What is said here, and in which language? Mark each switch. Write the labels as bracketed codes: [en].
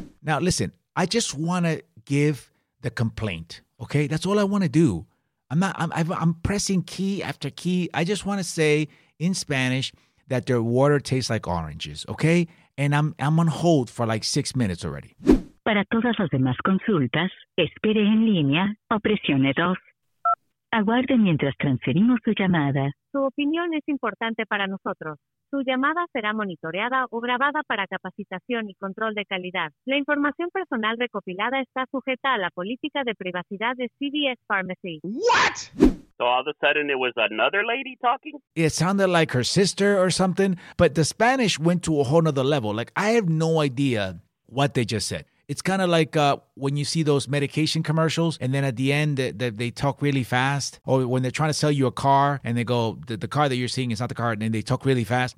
[en] Now listen, I just want to give the complaint, okay? That's all I want to do. I'm pressing key after key. I just want to say in Spanish, that their water tastes like oranges, okay? And I'm on hold for like 6 minutes already. [es] Para todas las demás consultas, espere en línea o presione 2. Aguarde mientras transferimos su llamada. Su opinión es importante para nosotros. Su llamada será monitoreada o grabada para capacitación y control de calidad. La información personal recopilada está sujeta a la política de privacidad de CVS Pharmacy. [en] What? So all of a sudden it was another lady talking? It sounded like her sister or something, but the Spanish went to a whole nother level. Like, I have no idea what they just said. It's kind of like when you see those medication commercials and then at the end they talk really fast, or when they're trying to sell you a car and they go, the car that you're seeing is not the car, and then they talk really fast.